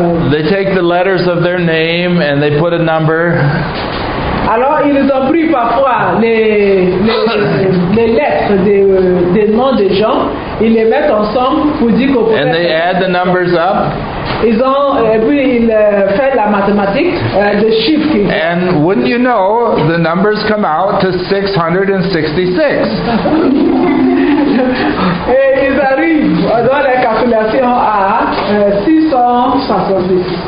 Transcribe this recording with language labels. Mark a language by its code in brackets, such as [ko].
[en] They take the letters of their name and they put a number. [fr] Alors, ils ont pris parfois les lettres des noms des gens, ils les mettent ensemble pour dire qu'on peut... [en] And they add the numbers up. [fr] Ils ont, et puis ils font la mathématique, le chiffre qu'ils ont. [en] And wouldn't you know, the numbers come out to 666. [fr] Et ils arrivent dans la calculation à 666.